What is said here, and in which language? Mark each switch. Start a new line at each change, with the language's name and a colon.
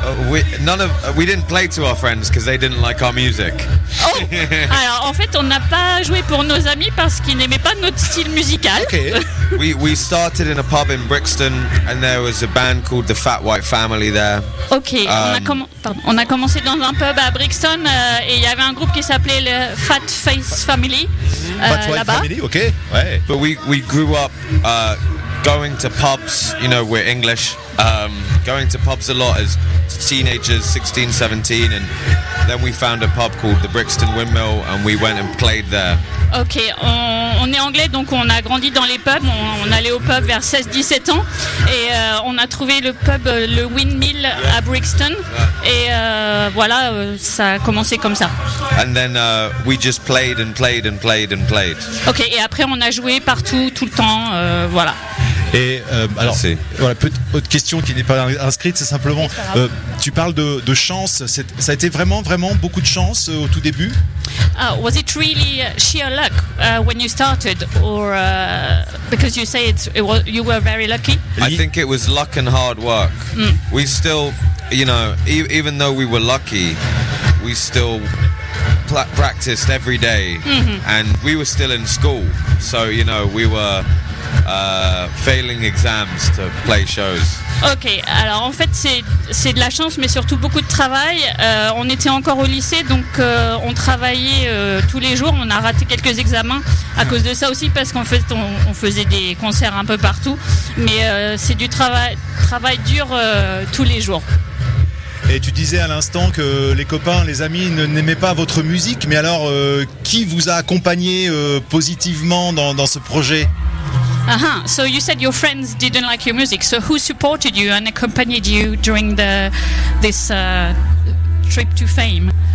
English: We didn't play to our friends because they didn't like our music. Oh.
French: Alors en fait, on n'a pas joué pour nos amis parce qu'ils n'aimaient pas notre style musical.
English: Okay. We started in a pub in Brixton and there was a band called the Fat White Family there. Okay.
French: On a commencé dans un pub à Brixton et il y avait un groupe qui s'appelait le Fat Face Family.
English: Fat White
French: là-bas.
English: Family, okay. Ouais. But we grew up going to pubs, you know, we're English, going to pubs a lot as teenagers, 16, 17, and then we found a pub called the Brixton Windmill and we went and played there.
French: Okay, on est anglais, donc on a grandi dans les pubs, on allait au pub vers 16-17 ans et on a trouvé le pub, le Windmill, yeah, à Brixton, yeah, et voilà, ça a commencé comme ça.
English: And then we just played and played and played and played.
French: Okay, et après on a joué partout, tout le temps, voilà. Et alors, merci. Voilà, autre question qui n'est pas inscrite, c'est simplement, tu parles de chance, ça a été vraiment, vraiment beaucoup de chance au tout début?
English: Was it really sheer luck when you started, or because you say you were very lucky? I think it was luck and hard work. Mm. We still, you know, even though we were lucky, we still practiced every day, mm-hmm, and we were still in school, so you know, we were failing exams to play shows.
French: Ok, alors en fait c'est de la chance, mais surtout beaucoup de travail. On était encore au lycée, donc on travaillait tous les jours. On a raté quelques examens à cause de ça aussi, parce qu'en fait on faisait des concerts un peu partout. Mais c'est du travail dur tous les jours. Et tu disais à l'instant que les copains, les amis n'aimaient pas votre musique. Mais alors qui vous a accompagné positivement dans ce projet? Uh-huh.
English: So you said your friends didn't like your music. So who supported you and accompanied you during this trip to fame?